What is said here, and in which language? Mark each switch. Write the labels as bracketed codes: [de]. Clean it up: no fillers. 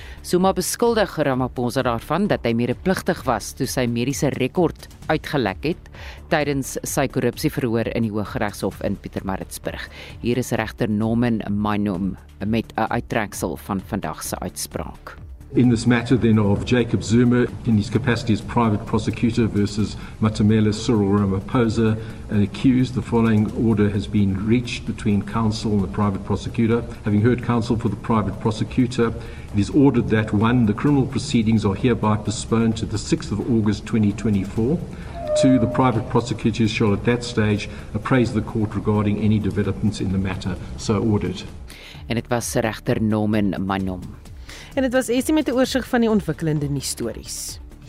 [af] Zuma beskuldig Ramaphosa daarvan dat hy medepligtig was toe sy mediese rekord uitgelek het tydens sy korrupsieverhoor in die Hooggeregshof in Pietermaritzburg. Hier is regter Norman Mainom met 'n uittreksel van vandag se uitspraak. [en] In this matter then of Jacob Zuma in his capacity as private prosecutor versus Matamela Cyril Ramaphosa and accused, the following order has been reached between counsel and the private prosecutor. Having heard counsel for the private prosecutor, it is ordered that 1. The criminal proceedings are hereby postponed to the 6th of August 2024. 2. The private prosecutor shall at that stage appraise the court regarding any developments in the matter. So ordered. And it was regter Norman Mainom. [af] En dit was Essie met 'n oorsig van die ontwikkelende nuusstories.